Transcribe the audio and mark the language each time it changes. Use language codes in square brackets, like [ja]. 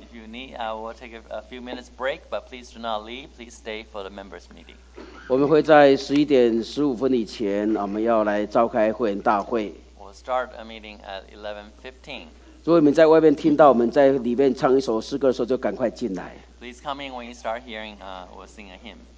[en] We'll take a few minutes break, but please do not leave. Please stay for the members' meeting. [zh] 我们会在11:15以前，我们要来召开会员大会。 [en] We'll start a meeting at 11:15. [zh] 如果你们在外面听到我们在里面唱一首诗歌的时候，就赶快进来。 [en] Please come in when you start hearing, we'll sing a hymn.